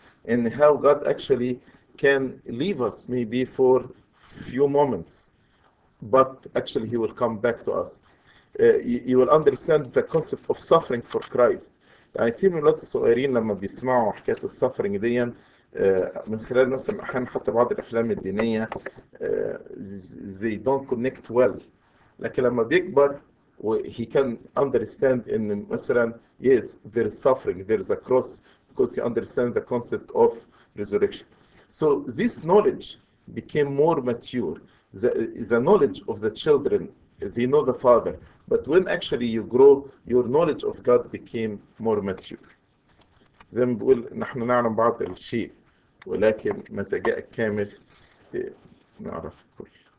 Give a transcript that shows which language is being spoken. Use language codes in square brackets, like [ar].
[en] And how God actually can leave us maybe for few moments, but actually he will come back to us. You will understand the concept of suffering for Christ. [ar] يعني كثير من الولاد الصغيرين لما بيسمعوا حكاية السفرنج دي من خلال مثلا احيانا حتى بعض الافلام الدينيه زي [en] don't connect well. [ar] لكن لما بيكبر [en] he can understand [ar] ان مثلا [en] yes there is suffering, there is a cross, because he understand the concept of resurrection. So this knowledge became more mature. The knowledge of the children, they know the Father. But when actually you grow, your knowledge of God became more mature. [ar] زي ما بقول نحن نعلم بعض الشيء ولكن متى جاء الكامل نعرف الكل.